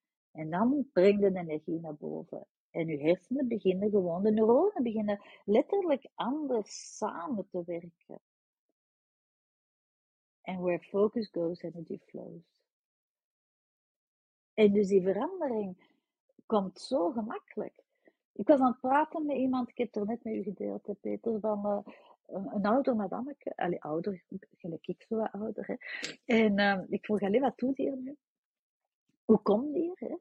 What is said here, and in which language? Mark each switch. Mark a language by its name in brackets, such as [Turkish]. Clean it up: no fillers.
[Dutch] En dan brengt de energie naar boven. En je hersenen beginnen gewoon, de neuronen beginnen letterlijk anders samen te werken. [English] And where focus goes, energy flows. [Dutch] En dus die verandering komt zo gemakkelijk. Ik was aan het praten met iemand, ik heb het er net met u gedeeld, hè, Peter, van een ouder madameke. Allee, ouder, gelijk ik zo wat ouder. Hè. En ik vroeg alleen, wat doet hier nu? Hoe kom je hier? Hè?